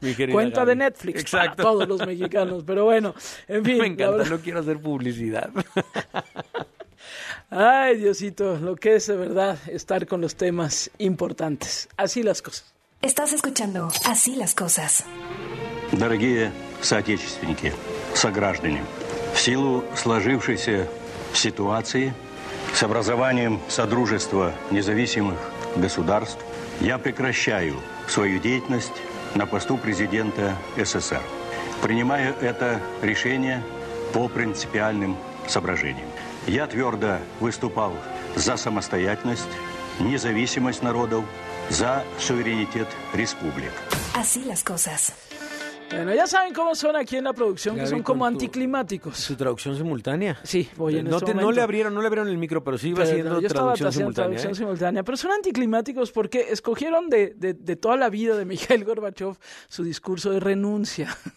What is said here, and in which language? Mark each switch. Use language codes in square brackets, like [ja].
[es] cuenta Gaby. De Netflix. Exacto. Para todos los mexicanos, pero bueno, en fin. Me encanta, la verdad, no quiero hacer publicidad. Ay, Diosito, lo que es de verdad estar con los temas importantes. Así las cosas. Estás escuchando Así las cosas. [ru] Дорогие соотечественники, сограждане, в силу сложившейся ситуации с образованием Содружества независимых государств, я прекращаю свою деятельность на посту президента СССР, принимая это решение по принципиальным соображениям. Я твердо выступал за самостоятельность, независимость народов, за суверенитет республик. [es] Así las cosas. Bueno, ya saben cómo son aquí en la producción, que son como anticlimáticos. ¿Su traducción simultánea? Sí, voy en no este momento. No le abrieron el micro, pero sí iba haciendo traducción simultánea. Pero son anticlimáticos porque escogieron de toda la vida de Mikhail Gorbachev su discurso de renuncia.